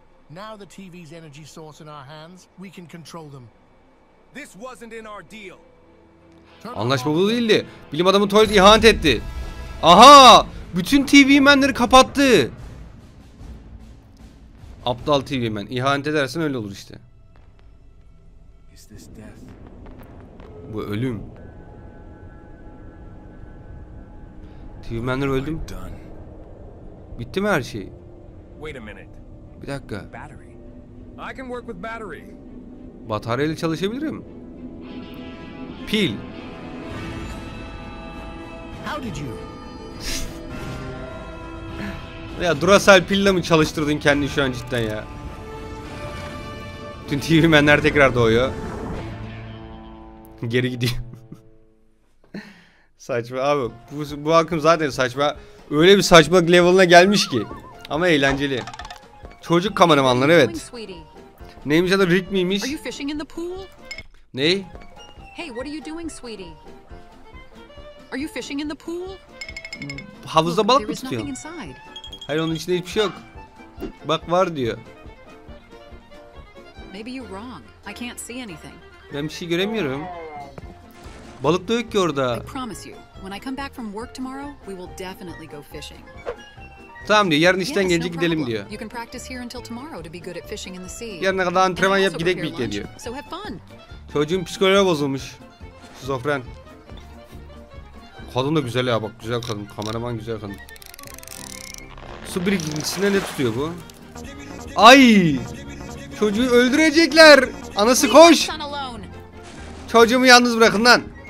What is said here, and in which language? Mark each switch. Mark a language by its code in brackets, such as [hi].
[en] Now the TV's energy source in our hands, we can control them. This wasn't in our deal. [tr] Anlaşma bu değildi. Bilim adamı tuvalet ihanet etti. Aha! Bütün TV Man'leri kapattı. Aptal TV Man. İhanet edersen öyle olur işte. [en] Is this death? [tr] Bu ölüm. TV Man'ler öldü mü? Bitti mi her şey? [en] Wait a minute. [tr] Bir dakika. Battery. [en] I can work with battery. [tr] Bataryayla çalışabilirim. Pil. [en] How did you? [tr] Ya Duracell pille mi çalıştırdın kendini şu an cidden ya? Tüm TV Man'ler tekrar doğuyor. Geri gidiyor. Saçma abi. Bu halkım zaten saçma. Öyle bir saçmalık level'ına gelmiş ki. Ama eğlenceli. Çocuk kameramanları, evet. Neymiş adı, Rick miymiş? Ney? [en] Hey, what are you doing, sweetie? Are you fishing in the pool? [tr] Havuzda balık mı tutuyorsun? Hayır, onun içinde hiçbir şey yok. Bak, var diyor. [en] Maybe you're wrong. I can't see anything. [tr] Ben bir şey göremiyorum. Balık da yok ki orada. [en] I promise you. When I come back from work tomorrow, we will definitely go fishing. [tr] Tamam diyor. Yarın işten gelince gidelim diyor. [en] You can practice here until tomorrow to be good at fishing in the sea. [tr] Yarına kadar antrenman yap, gidelim birlikte diyor. [en] So have fun. [tr] Çocuğun psikoloji bozulmuş. Şizofren. Kadın da güzel ya, bak güzel kadın. Kameraman güzel kadın. Su birikintisinde ne tutuyor bu? Ay! Çocuğu öldürecekler. Anası koş. Çocuğumu yalnız bırakın lan.